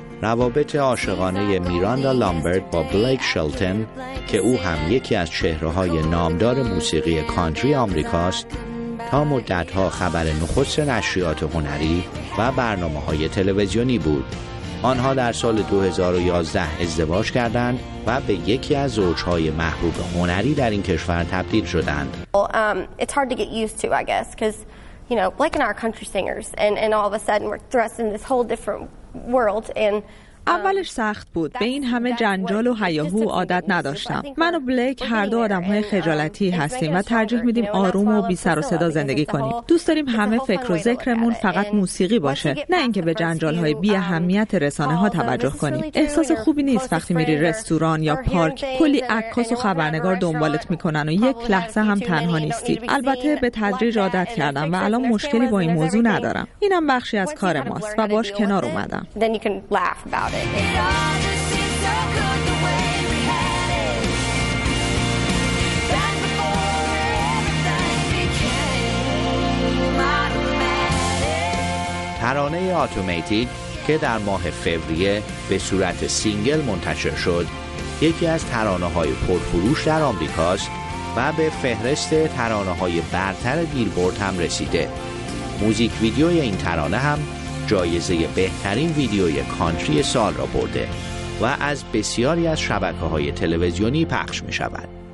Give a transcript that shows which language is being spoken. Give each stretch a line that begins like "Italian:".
Persian: روابط عاشقانه میراندا لامبرت با بلیک شلتن که او هم یکی از چهره‌های نامدار موسیقی کانتری آمریکاست، تا مدت‌ها خبر نخست نشریات هنری و برنامه‌های تلویزیونی بود. آنها در سال 2011 ازدواج کردند و به یکی از زوج‌های محبوب هنری در این کشور تبدیل شدند.
English: It's hard to get used to, I guess, because you know, like in our country singers, and all of a sudden we're thrust in this whole different world and
Persian: اولش سخت بود. به این همه جنجال و هیاهو عادت نداشتم. من و بلیک هر دو آدم‌های خجالتی هستیم و ترجیح میدیم آروم و بی سر و صدا زندگی کنیم. دوست داریم همه فکر و ذکرمون فقط موسیقی باشه، نه اینکه به جنجال‌های بی اهمیت رسانه‌ها توجه کنیم. احساس خوبی نیست وقتی میری رستوران یا پارک، کلی عکاس و خبرنگار دنبالت می‌کنن و یک لحظه هم تنها نیستی. البته به تدریج عادت کردم و الان مشکلی با این موضوع ندارم. اینم بخشی از کار ماست و باهاش کنار اومدم.
English: It all just seems so good the way we had it. Back before everything became automatic.
Persian: ترانه اتوماتیک که در ماه فوریه به صورت سینگل منتشر شد، یکی از ترانه‌های پرفروش در آمریکاست و به فهرست ترانه‌های برتر بیلبورد هم رسیده. موزیک ویدیوی این ترانه هم جایزه بهترین ویدیوی کانتری سال را برده و از بسیاری از شبکه‌های تلویزیونی پخش می‌شود.